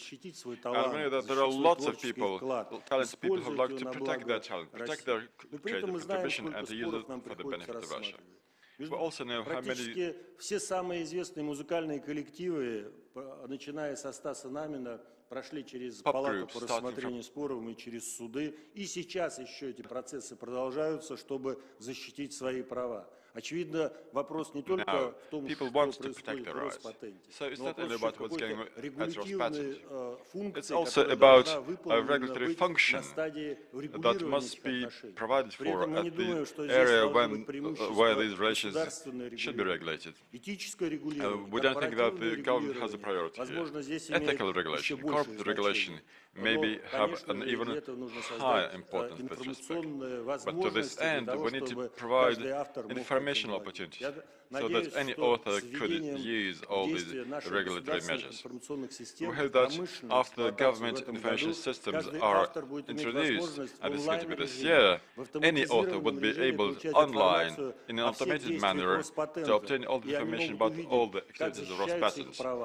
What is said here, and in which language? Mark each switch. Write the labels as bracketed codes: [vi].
[en] And we know that there are lots of people, talented people, who would like to protect their talent, protect their creative contribution, and to use it for the benefit of Russia. We also know how many [ru] все самые известные музыкальные коллективы, начиная со Стаса Намина, прошли через палату по рассмотрению споров и через суды, и сейчас еще эти процессы продолжаются, чтобы защитить свои права. Очевидно, вопрос не только в том, что происходит в Роспатенте, но вопрос еще какой-то регулятивной функции, которая должна выполнена быть на стадии регулирования отношений. При этом мы не думаем, что здесь должно быть преимущество этическое регулирование, корпоративное регулирование. Возможно, здесь имеет еще большее значение. [en] Maybe have an even higher importance with respect. But to this end, we need to provide informational opportunities so that any author could use all these regulatory measures. We hope that after the government information systems are introduced, and this is going to be this year, any author would be able online, in an automated manner, to obtain all the information about all the activities of Ross Patent.